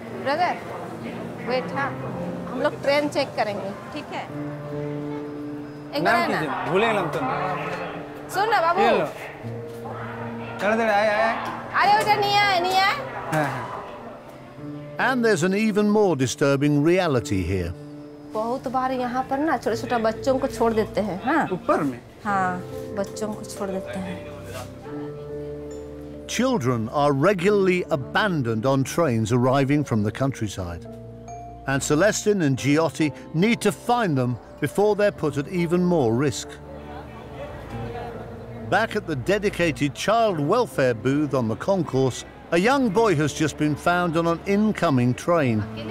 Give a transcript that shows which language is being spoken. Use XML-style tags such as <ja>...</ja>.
<en>Brother, wait, huh? We'll check the train, okay? What's your name? I forgot. Listen, Babu. Hello. Brother, come here. Yes. And there's an even more disturbing reality here.</en> <hi>बहुत बार यहाँ पर ना छोटे छोटे बच्चों को छोड़ देते हैं हाँ ऊपर में हाँ बच्चों को छोड़ देते हैं</hi> <en>Children are regularly abandoned on trains arriving from the countryside, and Celestin and Giotti need to find them before they're put at even more risk. Back at the dedicated child welfare booth on the concourse, a young boy has just been found on an incoming train.</en>